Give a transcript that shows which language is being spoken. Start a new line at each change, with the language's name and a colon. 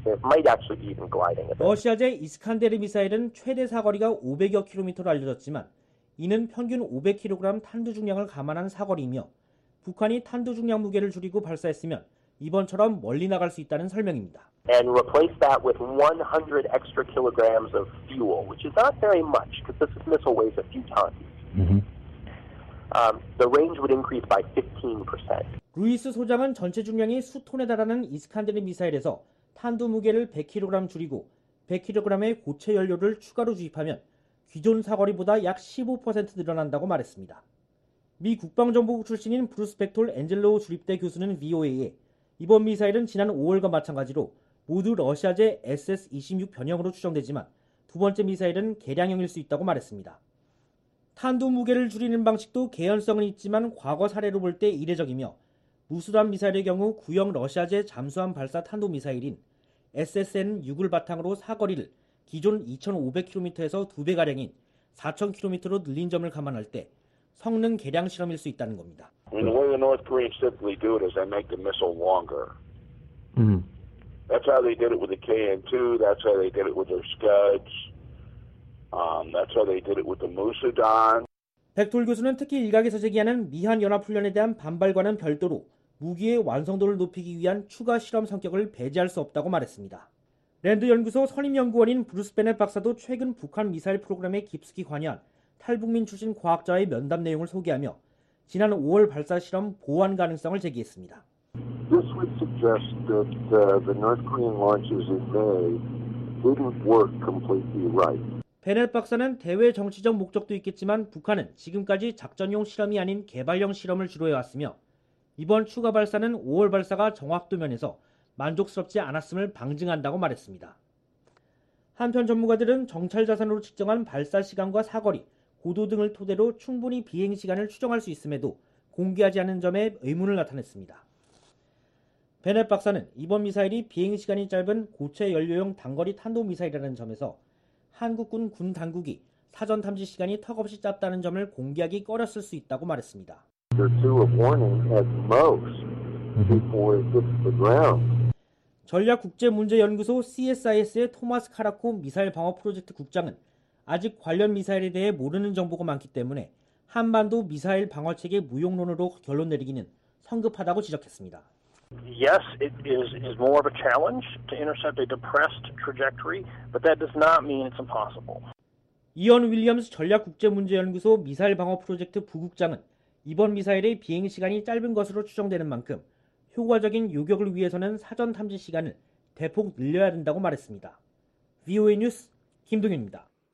English: It might actually be even gliding.
Korean: 러시아제 이스칸데르 미사일은 최대 사거리가 500여 킬로미터로 알려졌지만 이는 평균 500kg 탄두 중량을 감안한 사거리이며 북한이 탄두 중량 무게를 줄이고 발사했으면 이번처럼 멀리 나갈 수 있다는 설명입니다.
English: And replace that with 100 extra kilograms of fuel, which is not very much because this missile weighs a few tons. The range would increase by 15%.
Korean: 루이스 소장은 전체 중량이 수톤에 달하는 이스칸데르 미사일에서 탄두 무게를 100kg 줄이고 100kg의 고체 연료를 추가로 주입하면 기존 사거리보다 약 15% 늘어난다고 말했습니다. 미 국방정보국 출신인 브루스 벡톨 엔젤로 주립대 교수는 VOA에 이번 미사일은 지난 5월과 마찬가지로 모두 러시아제 SS-26 변형으로 추정되지만 두 번째 미사일은 개량형일 수 있다고 말했습니다. 탄두 무게를 줄이는 방식도 개연성은 있지만 과거 사례로 볼 때 이례적이며 무수단 미사일의 경우 구형 러시아제 잠수함 발사 탄도 미사일인 SSN-6을 바탕으로 사거리를 기존 2,500km에서 두 배가량인 4,000km로 늘린 점을 감안할 때 성능 개량 실험일 수 있다는 겁니다.
English: The way the North Koreans simply do it is they make the missile longer. That's how they did it with the KN-2. That's how they did it with their Scuds. That's how they did it with the Musudan.
Korean: 백돌 교수는 특히 일각에서 제기하는 미한 연합 훈련에 대한 반발과는 별도로 무기의 완성도를 높이기 위한 추가 실험 성격을 배제할 수 없다고 말했습니다. 랜드 연구소 선임 연구원인 브루스 베넷 박사도 최근 북한 미사일 프로그램에 깊숙이 관여한 탈북민 출신 과학자의 면담 내용을 소개하며 지난 5월 발사 실험 보완 가능성을 제기했습니다.
English: This would suggest that the North Korean launches in May didn't work completely right.
Korean: 베넷 박사는 대외 정치적 목적도 있겠지만 북한은 지금까지 작전용 실험이 아닌 개발용 실험을 주로 해왔으며 이번 추가 발사는 5월 발사가 정확도 면에서 만족스럽지 않았음을 방증한다고 말했습니다. 한편 전문가들은 정찰 자산으로 측정한 발사 시간과 사거리, 고도 등을 토대로 충분히 비행 시간을 추정할 수 있음에도 공개하지 않은 점에 의문을 나타냈습니다. 베넷 박사는 이번 미사일이 비행 시간이 짧은 고체 연료용 단거리 탄도 미사일이라는 점에서 한국군 군 당국이 사전 탐지 시간이 턱없이 짧다는 점을 공개하기 꺼렸을 수 있다고 말했습니다. 전략국제문제연구소 CSIS의 토마스 카라코 미사일 방어 프로젝트 국장은 아직 관련 미사일에 대해 모르는 정보가 많기 때문에 한반도 미사일 방어 체계 무용론으로 결론 내리기는 성급하다고 지적했습니다.
English: Yes, it is more of a challenge to intercept a depressed trajectory, but that does not mean it's impossible.
Korean: 이언 윌리엄스 전략국제문제연구소 미사일 방어 프로젝트 부국장은 이번 미사일의 비행 시간이 짧은 것으로 추정되는 만큼 효과적인 요격을 위해서는 사전 탐지 시간을 대폭 늘려야 된다고 말했습니다. VOA 뉴스 김동윤입니다.